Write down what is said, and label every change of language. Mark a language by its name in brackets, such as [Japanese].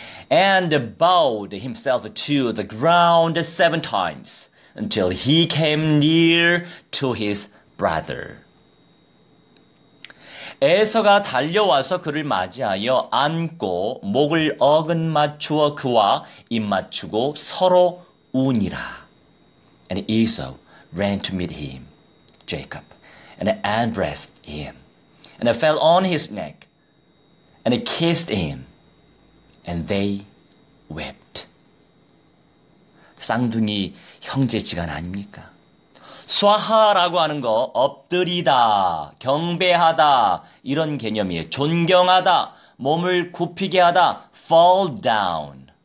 [English] And bowed himself to the ground seven times until he came near to his brother. [Korean] 에서가 달려와서 그를 맞이하여 안고 목을 어긋맞추어 그와 입맞추고 서로 우니라. [English] And Esau ran to meet him, Jacob, and embraced him, and fell on his neck, and kissed him, and they wept. [Korean] 쌍둥이 형제지간 아닙니까? 수아하라고 하는 거 엎드리다, 경배하다 이런 개념이에요. 존경하다, 몸을 굽히게 하다, [English] fall down.